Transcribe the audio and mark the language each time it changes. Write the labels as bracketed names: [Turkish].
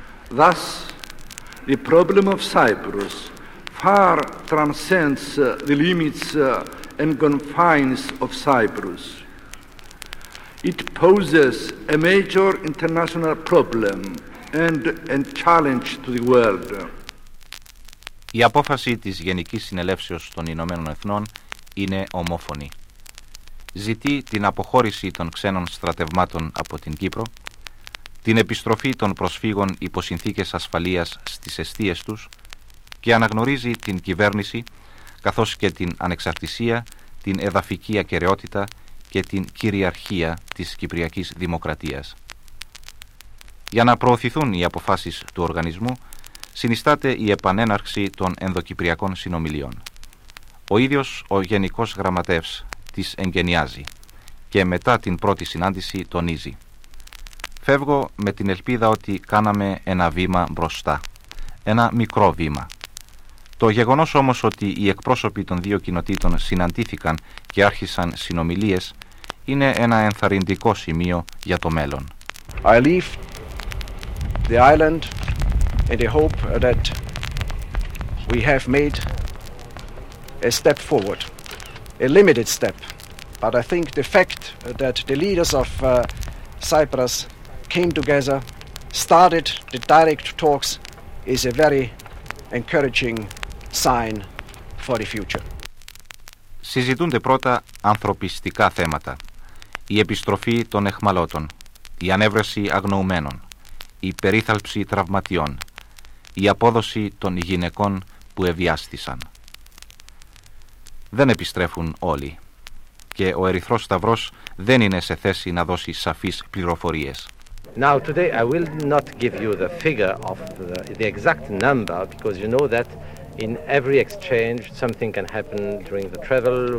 [English] Thus, the problem of Cyprus far transcends the limits and confines of Cyprus. It poses a major international problem and a challenge to the world. [Greek] Η απόφαση της Γενικής Συνελεύσεως των Ηνωμένων Εθνών είναι ομόφωνη. Ζητεί την αποχώρηση των ξένων στρατευμάτων από την Κύπρο, την επιστροφή των προσφύγων υπό συνθήκες ασφαλείας στις εστίες τους και αναγνωρίζει την κυβέρνηση καθώς και την ανεξαρτησία, την εδαφική ακεραιότητα και την κυριαρχία της Κυπριακής Δημοκρατίας. Για να προωθηθούν οι αποφάσεις του οργανισμού, συνιστάται η επανέναρξη των ενδοκυπριακών συνομιλιών. Ο ίδιος ο Γενικός Γραμματεύς τις εγκαινιάζει και μετά την πρώτη συνάντηση τονίζει: «Φεύγω με την ελπίδα ότι κάναμε ένα βήμα μπροστά, ένα μικρό βήμα. Το γεγονός όμως ότι οι εκπρόσωποι των δύο κοινοτήτων συναντήθηκαν και άρχισαν συνομιλίες είναι ένα ενθαρρυντικό σημείο για το μέλλον». [English] I leave the island in the hope that we have made a step forward, a limited step. But I think the fact that the leaders of Cyprus came together, started the direct talks, is a very encouraging sign for the future. [Greek] Συζητούνται πρώτα ανθρωπιστικά θέματα. Η επιστροφή των εχμαλώτων, η ανέβρεση αγνοουμένων, η περίθαλψη τραυματιών, η απόδοση των γυναικών που εβιάστησαν. Δεν επιστρέφουν όλοι και ο Ερυθρός Σταυρός δεν είναι σε θέση να δώσει σαφείς πληροφορίες. [English] Now today I will not give you the figure of the exact number because you know that in every exchange something can happen during the travel.